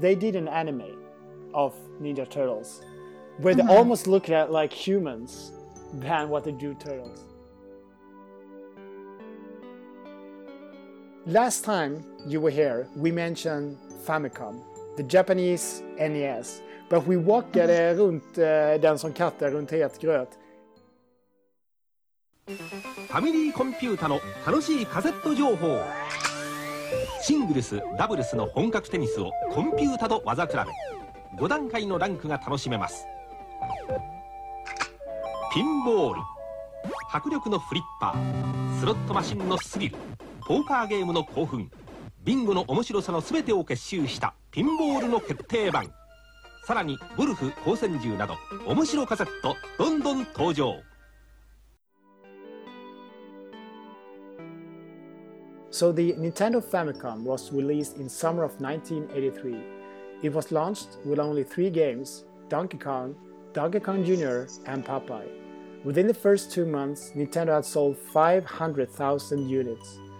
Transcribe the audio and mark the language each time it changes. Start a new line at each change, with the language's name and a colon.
English: They did an anime of Ninja Turtles. Where they mm-hmm. almost look at like humans than what they do turtles. Last time you were here, we mentioned Famicom, the Japanese NES. But we walkade mm-hmm.
Swedish: runt den som katter runt het gröt.
Japanese: Family computer の楽しいカセット情報。シングルス、ダブルスの本格テニスをコンピュータと技比べ。 5段階のランクが楽しめます。ピンボール、迫力のフリッパー、スロットマシンのスリル、ポーカーゲームの興奮、ビンゴの面白さの全てを結集したピンボールの決定版。さらにゴルフ、光線銃など面白カセットどんどん登場。
English: So the Nintendo Famicom was released in summer of 1983. It was launched with only 3 games, Donkey Kong, Donkey Kong Jr. and Popeye. Within the first 2 months, Nintendo had sold 500,000 units.